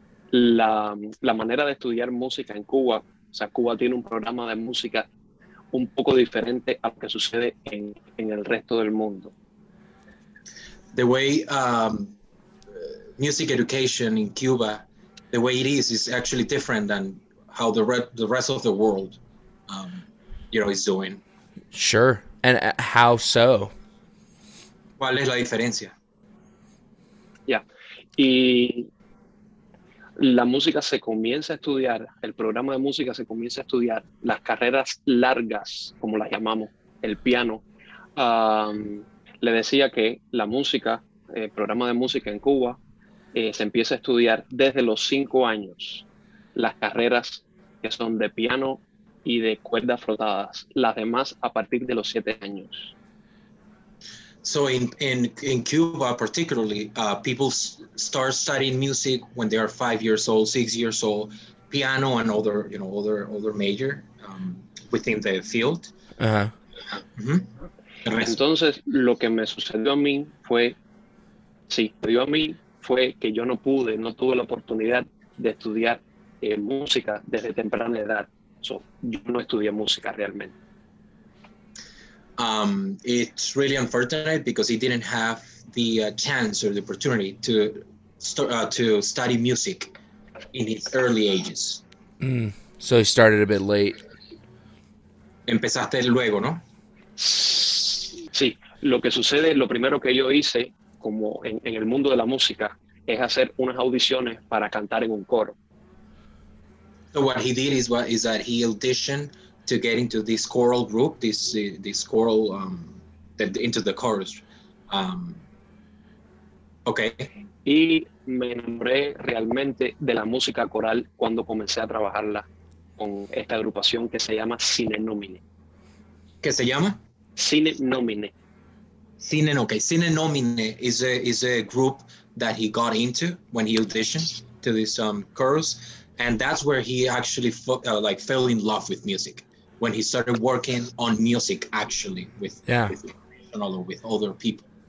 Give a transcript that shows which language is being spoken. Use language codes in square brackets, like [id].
[es] La manera de estudiar música en Cuba, o sea, Cuba tiene un programa de música un poco diferente a lo que sucede en el resto del mundo. [en] The way music education in Cuba, the way it is actually different than how the rest of the world, is doing. Sure. And how so? [es] ¿Cuál es la diferencia? [en] Yeah. [es] Y la música se comienza a estudiar, el programa de música se comienza a estudiar, las carreras largas, como las llamamos, el piano. Le decía que la música, el programa de música en Cuba, se empieza a estudiar desde los 5 años. Las carreras que son de piano y de cuerdas frotadas, las demás a partir de los 7 años. [en] So in Cuba, particularly, people start studying music when they are 5 years old, 6 years old, piano and other, you know, other major within the field. Uh-huh. Mm-hmm. [es] Entonces, lo que me sucedió a mí fue, sí, sucedió a mí fue que yo no tuve la oportunidad de estudiar música desde temprana edad. So, yo no estudié música realmente. [en] It's really unfortunate because he didn't have the chance or the opportunity to study music in his early ages. Mm. So he started a bit late. [es] Empezaste luego, ¿no? Sí. Lo que sucede, lo primero que yo hice como en el mundo de la música, es hacer unas audiciones para cantar en un coro. [en] So what he did is that he auditioned to get into this choral group, this choral into the chorus. Okay. [es] Y me enamoré realmente de la música coral cuando comencé a trabajarla con esta agrupación que se llama Sine Nomine. ¿Qué se llama? Sine Nomine. [en] Sine, okay. Sine Nomine is a group that he got into when he auditioned to this chorus, and that's where he actually fell in love with music, when he started working on music actually with other people.